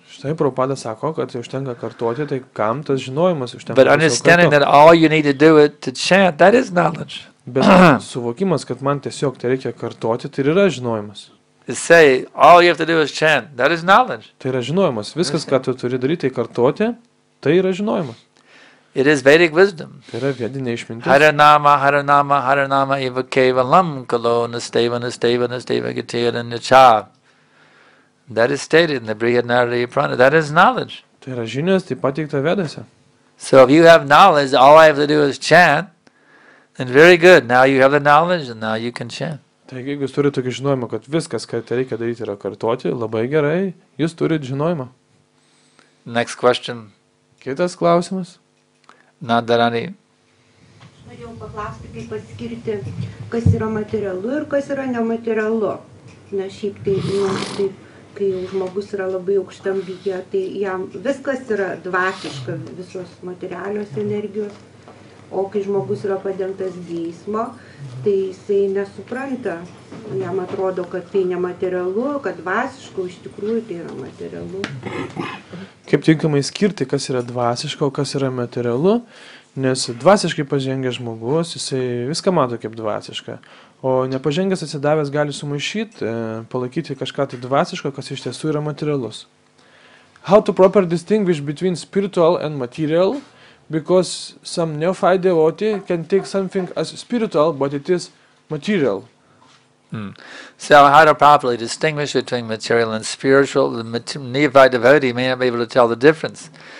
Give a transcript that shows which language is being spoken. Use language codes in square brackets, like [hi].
[lt] Štai Prabhupada sako, kad užtenka kartuoti, tai kam tas žinojimas užtenka kartuoti. [en] But understanding that all you need to do it to chant, that is knowledge. [lt] Bet suvokimas, kad man tiesiog tai reikia kartuoti, tai yra žinojimas. [en] Say, all you have to do is chant, that is knowledge. [lt] Tai yra žinojimas. Viskas, ką tu turi daryti, tai kartuoti, tai yra žinojimas. [en] It is Vedic wisdom. [lt] Tai yra vedinė išmintis. [sa] Haranama, haranama, haranama, eva kevalam, kalo, nasteva, nasteva, nasteva, gatira, nicha. [en] That is stated in the Brihadnarada Prana. That is knowledge. [lt] Tai yra žinios, taip pateikta vedose. [en] So if you have knowledge, all I have to do is chant, then very good. Now you have the knowledge and now you can chant. [lt] Taigi, jeigu jūs turite tokį žinojimą, kad viskas, ką reikia daryti, yra kartuoti, labai gerai, jūs turite žinojimą. [en] Next question. [lt] Kitas klausimas. Na, Darani. Aš norėjau paklausti, kaip paskirti, kas yra materialu ir kas yra nematerialu. Na, šiaip tai kai žmogus yra labai aukštam lygyje, tai jam viskas yra dvasiška, visos materialios energijos. O kai žmogus yra padengtas geismo, tai jisai nesupranta. Jam atrodo, kad tai nematerialu, kad dvasiška, iš tikrųjų tai yra materialu. kaip tinkamai skirti, kas yra dvasiško, kas yra materialu, nes dvasiškai pažengęs žmogus, jisai viską mato kaip dvasišką, o nepažengęs atsidavęs gali sumaišyti, palaikyti kažką tai dvasiško, kas iš tiesų yra materialus. [en] How to properly distinguish between spiritual and material, because some neophyte devotee can take something as spiritual, but it is material. So how to properly distinguish between material and spiritual, the neophyte devotee may not be able to tell the difference.